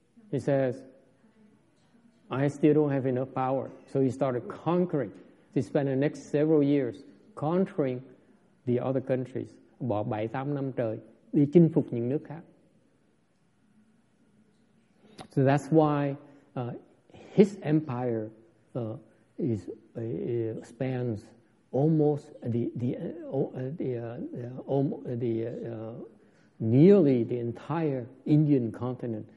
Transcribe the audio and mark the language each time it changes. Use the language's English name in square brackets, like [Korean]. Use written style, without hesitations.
[English] He says, I still don't have enough power. So he started conquering. He spent the next several years conquering the other countries. [Vietnamese] Bỏ 7-8 năm trời đi chinh phục những nước khác. [English] So that's why his empire spans almost nearly the entire Indian continent.